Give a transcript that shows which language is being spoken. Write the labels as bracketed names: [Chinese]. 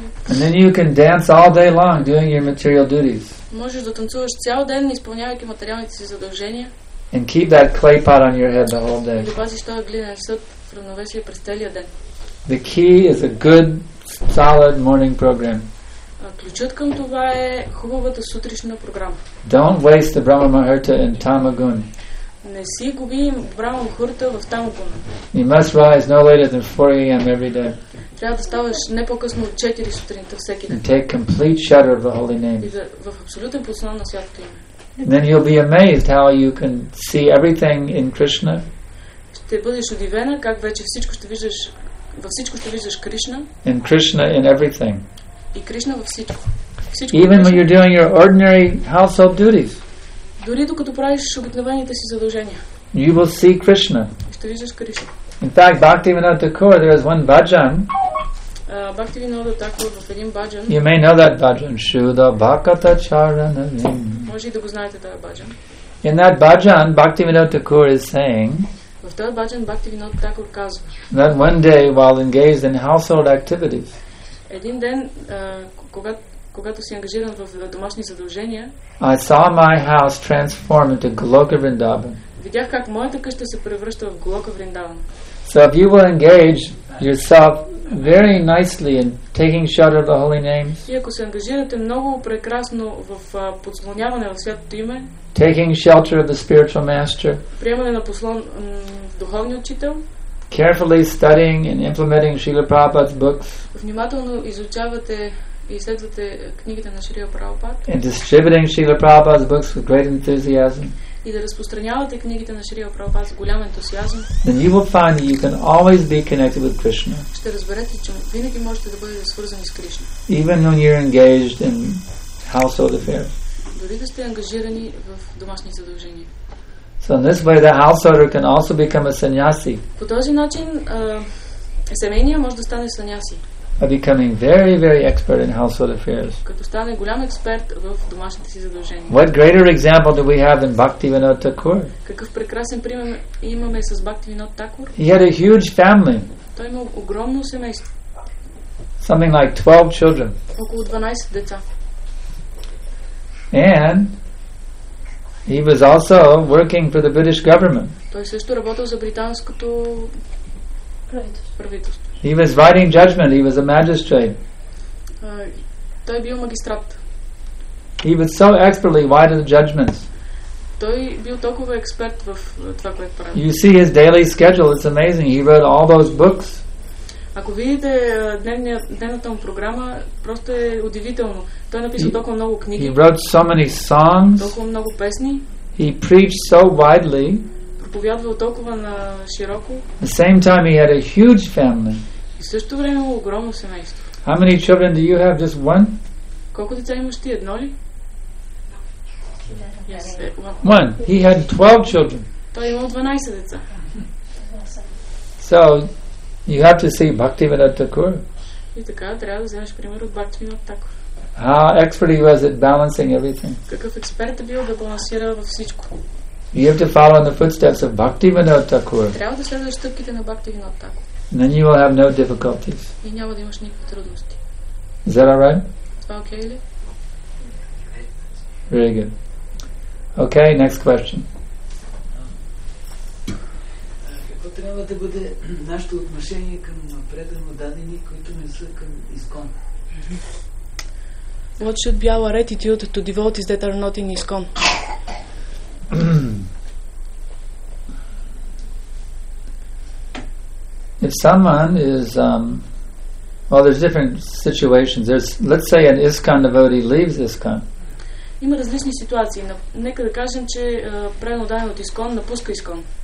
[English] And then you can dance all day long doing your material duties. [Bulgarian] Можеш да танцуваш цял ден, изпълнявайки материалните си задължения. [English] And keep that clay pot on your head the whole day. [Bulgarian] И пазиш този глинен съд в равновесие през целия ден. [English] The key is a good, solid morning program. [Bulgarian] Ключът към това е хубавата сутрешна програма. [English] Don't waste the Brahma Muhurta in Tamagun. [Bulgarian] Не си губи Брама Мухурта в Тамагуна. [English] You must rise no later than 4 a.m. every day. [Bulgarian] Трябва да ставаш не по-късно от 4 сутринта всеки ден. [English] And take complete shelter of the holy name. [Bulgarian] В абсолютен подслон на святото име. [English] Then you'll be amazed how you can see everything in Krishna. [Bulgarian] Ще бъдеш удивена как вече всичко ще виждаш, във всичко ще виждаш Кришна. [English] And Krishna in everything. [Bulgarian] И Кришна във всичко. [English] Even when you're doing your ordinary household duties. [Bulgarian] Дори докато правиш обикновените си задължения. [English] You will see Krishna. [Bulgarian] Ще виждаш Кришна. [English] In fact, Bhaktivinoda Thakur, there is one bhajan. [Bulgarian] Bhaktivinoda Thakur, в един bhajan. [English] You may know that bhajan. Shuddha Bhakata Charanavim. [Bulgarian] Може и да го знаете тази bhajan. [English] In that bhajan, Bhaktivinoda Thakur is saying. [Bulgarian] В този bhajan Bhaktivinoda Thakur казва. [English] That one day while engaged in household activities. [Bulgarian] Един ден, когато си ангажиран в домашни задължения. [English] I saw my house transform into Goloka Vrindavan. [Bulgarian] Видях как моята къща се превръща в Голока Вриндаван. [English] So if you will engage yourself very nicely in taking shelter of the holy names. [Bulgarian] И ако се ангажирате много прекрасно в подслоняване в Святото име. [English] Taking shelter of the spiritual master. [Bulgarian] Приемане на послон духовния учител. [English] Carefully studying and implementing Srila Prabhupada's books. [Bulgarian] Внимателно изучавате и следвате книгите на Шрила Прабхупад. [English] And distributing Srila Prabhupada's books with great enthusiasm. [Bulgarian] И да разпространявате книгите на Шрила Прабхупад с голям ентусиазъм. [English] Then you will find that you can always be connected with Krishna. [Bulgarian] Ще разберете, че винаги можете да бъдете свързани с Кришна. [English] Even when you're engaged in household affairs. [Bulgarian] Дори да сте ангажирани в домашни задължения. [English] So in this way the householder can also become a sannyasi. [Bulgarian] По този начин семейният може да стане саньяси. [English] By becoming very, very expert in household affairs. [Bulgarian] Като стане голям експерт в домашните си задължения. [English] What greater example do we have than Bhaktivinoda Thakur? [Bulgarian] Какъв прекрасен пример имаме с Bhaktivinoda Thakur? [English] He had a huge family. [Bulgarian] Той има огромно семейство. [English] Something like 12 children. [Bulgarian] Около 12 деца. [English] And he was also working for the British government. [Bulgarian] Той също работил за британското правителство. [English] He was writing judgment. He was a magistrate. [Bulgarian] Той бил магистрат. [English] He was so expertly writing the judgments. [Bulgarian] Той бил толкова експерт в това, което прави. [English] You see his daily schedule. It's amazing. He wrote all those books. [Bulgarian] Ако видите дневната му програма, просто е удивително. Той написал толкова много книги. [English] He wrote so many songs. [Bulgarian] Толкова много песни. [English] He preached so widely. [Bulgarian] Проповядвал толкова на широко. [English] The same time he had a huge family. [Bulgarian] И също време имало огромно семейство. [English] How many children do you have? Just one? [Bulgarian] Колко деца имаш ти? Едно ли? [English] One. He had 12 children. [Bulgarian] Той имал 12 деца. [English] So, you have to see Bhaktivinoda Thakur. [Bulgarian] И така, трябва да вземеш пример от Bhaktivinoda Thakur. [English] How expert he was at balancing everything. [Bulgarian] Какъв експерт е бил да балансира във всичко. [English] You have to follow in the footsteps of Bhaktivinoda Thakur. [Bulgarian] Трябва да следваш стъпките на Bhaktivinoda Thakur. [English] Then you will have no difficulties. [Bulgarian] И няма да имаш никакви трудности. [English] Is that all right? [Bulgarian] Това окей ли? [English] Very good. Okay, next question. [Bulgarian] Какво трябва да бъде нашето отношение към предано дадени, които не са към искон? [English] What should be our attitude to devotees that are not in искон? If someone is there's different situations. Let's say an ISKCON devotee leaves ISKCON. [Bulgarian] Има различни ситуации. Нека да кажем, че предано даден от ISKCON напуска ISKCON.